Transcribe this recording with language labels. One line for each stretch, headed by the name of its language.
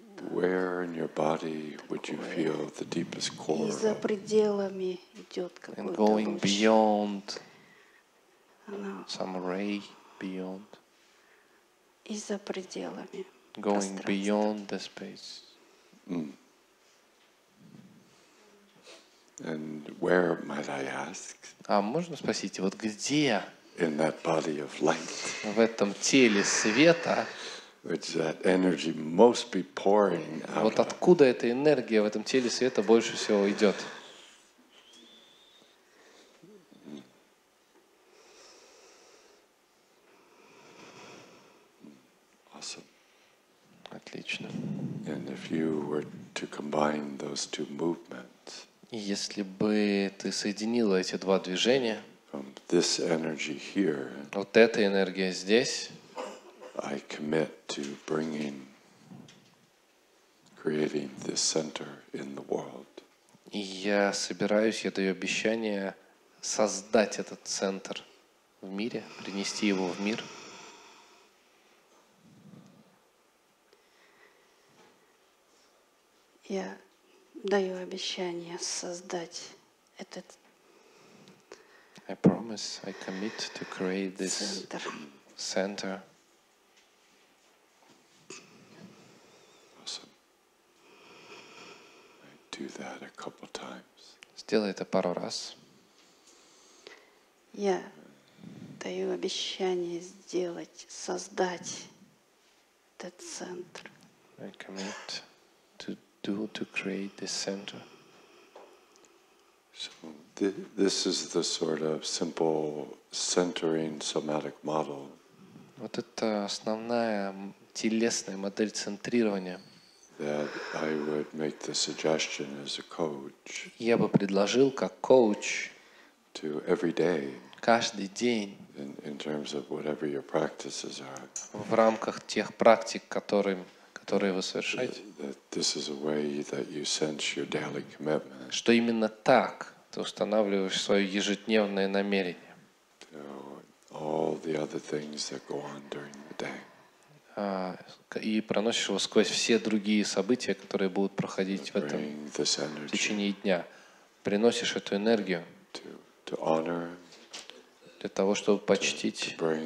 English: Where in your body would you feel the deepest core?
Russian: За пределами идет какой-то.
English: And going beyond. Some ray beyond.
Russian: И за пределами.
English: Going beyond the space. And where might I ask?
Russian: А можно спросить, вот где?
English: In that body of light.
Russian: В этом теле света.
English: Which that energy must be pouring out.
Russian: Вот откуда эта энергия в этом теле света больше всего идет?
English: Awesome.
Russian: Отлично.
English: And if you were to combine those two movements.
Russian: Если бы ты соединила эти два движения.
English: This energy here.
Russian: Вот эта энергия здесь.
English: I commit to bringing, creating this center in the world.
Russian: Я собираюсь, я даю обещание создать этот центр в мире, принести его в мир. Я даю обещание создать этот.
English: I promise, I commit to create this center. Do that a couple times.
Russian: Сделай это пару раз. Я даю обещание сделать, создать этот центр.
English: I commit to do to create this center. So this is the sort of simple centering somatic model.
Russian: Вот это основная телесная модель центрирования.
English: That I would make the suggestion as a coach.
Russian: Я бы предложил как коуч.
English: To every day.
Russian: Каждый день.
English: In terms of whatever your practices are.
Russian: В рамках тех практик, которые вы совершаете.
English: That this is a way that you sense your daily commitment.
Russian: Что именно так ты устанавливаешь свое ежедневное намерение.
English: To all the other things that go on during the day.
Russian: И проносишь его сквозь все другие события, которые будут проходить в этом в течение дня. Приносишь эту энергию для того, чтобы почтить